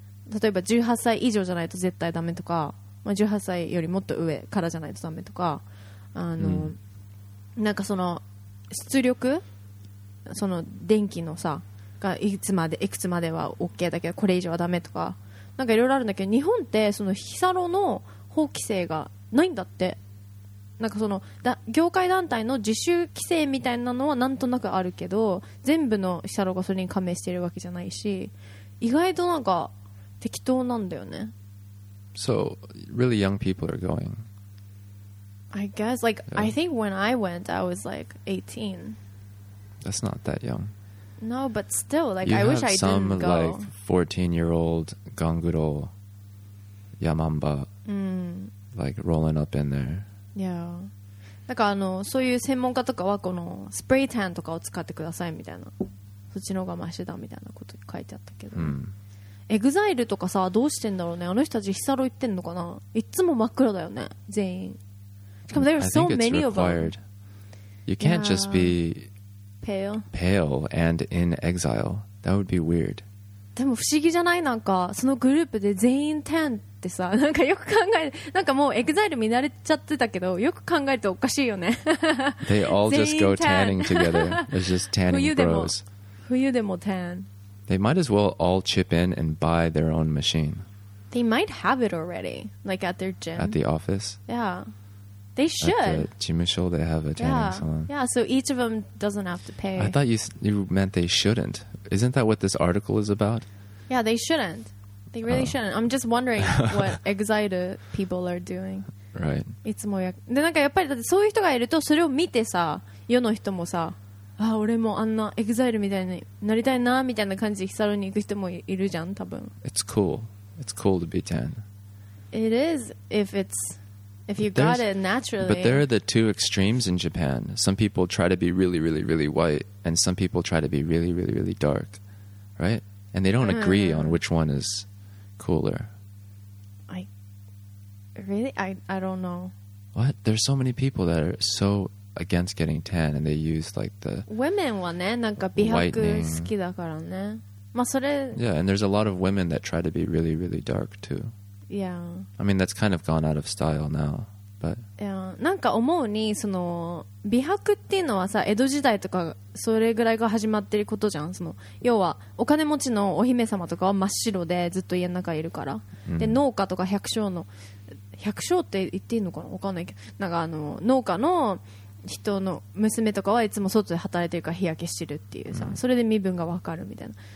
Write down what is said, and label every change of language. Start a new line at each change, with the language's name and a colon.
Japanese: 例えば18歳以上じゃないと絶対ダメとか、まあ、18歳よりもっと上からじゃないとダメとか、あの、なんかその出力、その電気のさがいくつまでは OK だけどこれ以上はダメとか、なんかいろいろあるんだけど、日本ってそのヒサロの法規制がないんだって。なんかその業界団体の自主規制みたいなのはなんとなくあるけど、全部のヒサロがそれに加盟しているわけじゃないし、意外となんか適当なんだよね。
English: So really young people are going, I guess, like, I think when I went I was like 18. That's not that young. No, but still, like, you, I wish I didn't go. You have some like 14 year old ganguro yamamba like rolling up in there Yeah.
Japanese: なんかあの、そういう専門家とかはこのスプレータンとかを使ってくださいみたいな、そっちの方がマシだみたいなこと書いてあったけど、エグザイルとかさ、どうしてんだろうね。あの人たちヒサロ行ってんのかな。いつも真っ黒だよね、全員。
English: しかも、 there are so many of them. You can't just be pale and in exile. That would be weird.
Japanese: でも不思議じゃない、なんかそのグループで全員タンってさ、なんかよく考え、なんかもうエグザイル見慣れちゃってたけど、よく考えるとおかしいよね。
English: They all just go tanning together. It's just tanning bros.
Japanese: 冬でもタン。
English: They might as well all chip in and buy their own machine. They might have it already, like at their gym. At the office? Yeah. They should. At the 事務所, they have a tanning salon. Yeah, so each of them doesn't have to pay. I thought you meant they shouldn't. Isn't that what this article is about? Yeah, they shouldn't. They really shouldn't. I'm just wondering what exile people are doing. Right.
Japanese: いつもや、で、なんかやっぱりだってそういう人がいると、それを見てさ、世の人もさ、あ、俺もあんなエグザイルみたいになりたいなみたいな感じでヒサロに行く人もいるじゃん、多分。
English: It's cool. It's cool to be tan. It is if you got it naturally. But there are the two extremes in Japan. Some people try to be really, really, really white, and some people try to be really, really, really dark. Right? And they don't agree on which one is cooler. I don't know. What? There's so many people that are so against getting tan, and they use like the
Japanese: women はね、なんか美白好きだからね。まあそれ。
English: Yeah, and there's a lot of women that try to be really, really dark too. Yeah. I mean, that's kind of gone out of style now, but.
Japanese: Yeah, なんか思うに、その美白っていうのはさ、江戸時代とか。それぐらいが始まってることじゃん。その要はお金持ちのお姫様とかは真っ白でずっと家の中いるから、で、農家とか百姓の百姓って言っていいのかな、わかんないけど、なんかあの農家の人の娘とかはいつも外で働いてるから日焼けしてるっていうさ、うん、それで身分がわかるみたいな。